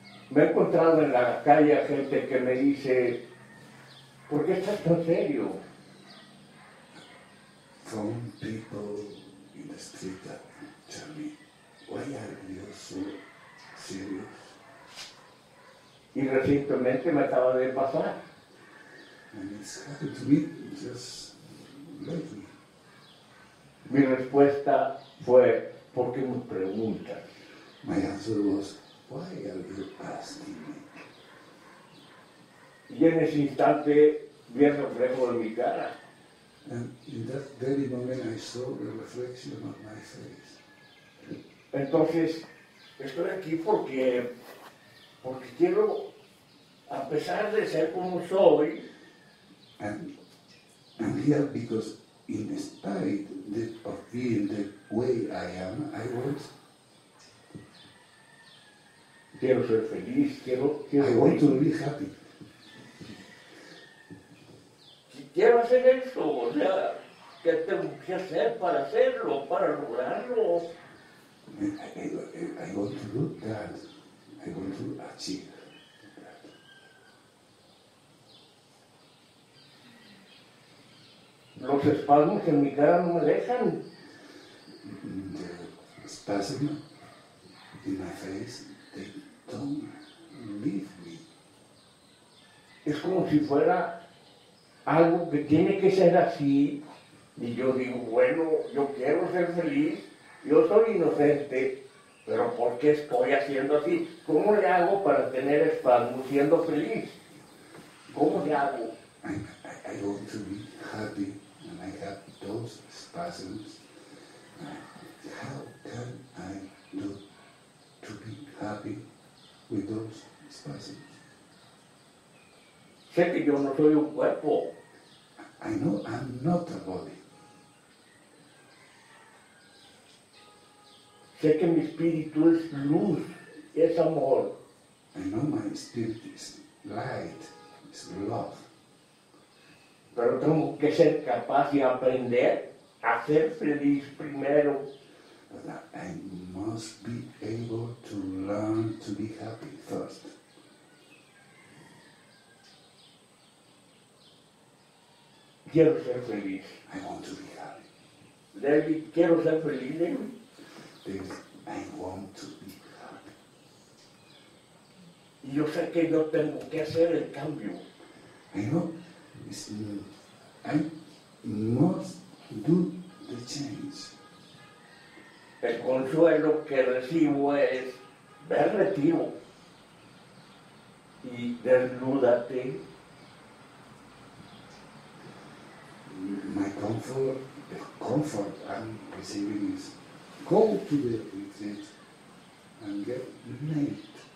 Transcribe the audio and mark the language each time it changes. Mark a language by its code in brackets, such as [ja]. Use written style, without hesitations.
[es] Me he encontrado en la calle a gente que me dice, ¿por qué estás tan serio? [en] From people in the street that tell me, why are you so serious? [es] Y recientemente me acaba de pasar. [en] And it's happened to me just lately. [es] Mi respuesta fue, ¿por qué me preguntas? [en] My answer was, why are you asking me? [es] Y en ese instante vi el reflejo de mi cara. [en] And in that very moment I saw the reflection of my face. [es] Entonces, estoy aquí porque quiero, a pesar de ser como soy. [en] I'm here because in spite of being the way I am, I want. [es] Quiero ser feliz, quiero [en] I [es] feliz. [en] Want to be happy. [es] Quiero hacer eso, o sea, ¿qué tengo que hacer para hacerlo, para lograrlo? [en] I want to do that. I want to achieve that. [es] Los espasmos en mi cara no me dejan. [en] The spasms in my face, they don't leave me. [es] Es como si fuera algo que tiene que ser así. Y yo digo, bueno, yo quiero ser feliz. Yo soy inocente, pero ¿por qué estoy haciendo así? ¿Cómo le hago para tener espasmos siendo feliz? ¿Cómo le hago? [en] I want to be happy, and I have those spasms. How can I do to be happy with those spasms? [es] Sé que yo no soy un cuerpo. [en] I know I'm not a body. [es] Sé que mi espíritu es luz, es amor. [en] I know my spirit is light, is love. [es] Pero tengo que ser capaz de aprender a ser feliz primero. [en] But I must be able to learn to be happy first. [es] Quiero ser feliz. [en] I want to be happy. [es] David, quiero ser feliz, David. [en] I want to be happy. [es] Yo sé que yo tengo que hacer el cambio. [en] I know. I must do the change. [es] El consuelo que recibo es ve al retiro y desnúdate. [en] My comfort, the comfort I'm receiving is go to the retreat and get naked.